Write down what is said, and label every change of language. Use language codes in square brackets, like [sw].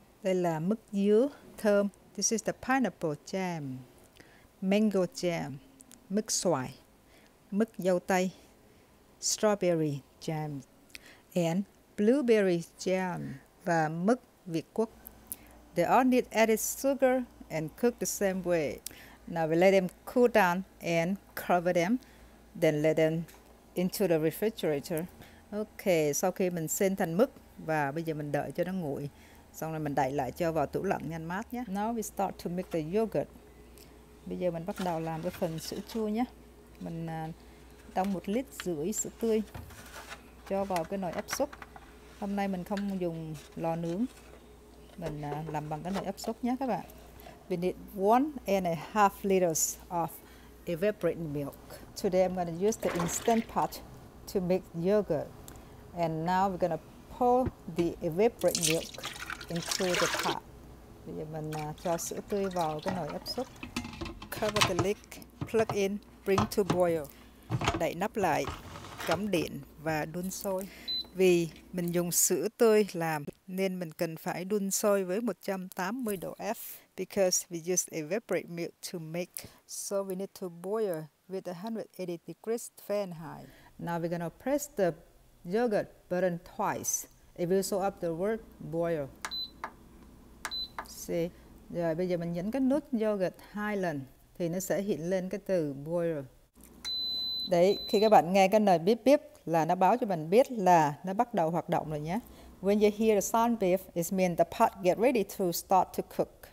[vi] Đây là mức dứa thơm. [en] This is the pineapple jam, mango jam, [vi] mức xoài, mức dâu tây, [en] strawberry jam, and blueberry jam, [vi] và mức việt quất. [en] They all need added sugar and cook the same way. Now we let them cool down and cover them, then let them into the refrigerator. [vi] Okay, sau khi mình xên thành mức và bây giờ mình đợi cho nó nguội, xong rồi mình đậy lại cho vào tủ lạnh ngăn mát nhé. [en] Now we start to make the yogurt. [vi] Bây giờ mình bắt đầu làm cái phần sữa chua nhé. Mình đong 1,5 lít sữa tươi cho vào cái nồi ép súc. Hôm nay mình không dùng lò nướng, mình làm bằng cái nồi ép súc nhé các bạn. [en] We need 1.5 liters of evaporated milk. Today I'm gonna use the instant pot to make yogurt. And now we're gonna pour the evaporated milk into the pot. [vi] Bây giờ mình cho sữa tươi vào cái nồi ép súc. [en] Cover the lid, plug in, bring to boil. [vi] Đậy nắp lại, cắm điện và đun sôi. Vì mình dùng sữa tươi làm nên mình cần phải đun sôi với 180 độ F. [en] Because we use evaporated milk to make. So we need to boil with 180 degrees Fahrenheit. Now we're gonna press the yogurt button twice. It will show up the word boil. See? [vi] Rồi bây giờ mình nhấn cái nút yogurt 2 lần thì nó sẽ hiện lên cái từ boil. Đấy, khi các bạn nghe cái nồi bíp bíp là nó báo cho mình biết là nó bắt đầu hoạt động rồi nhé. [en] When you hear the sound beep, it means the pot get ready to start to cook.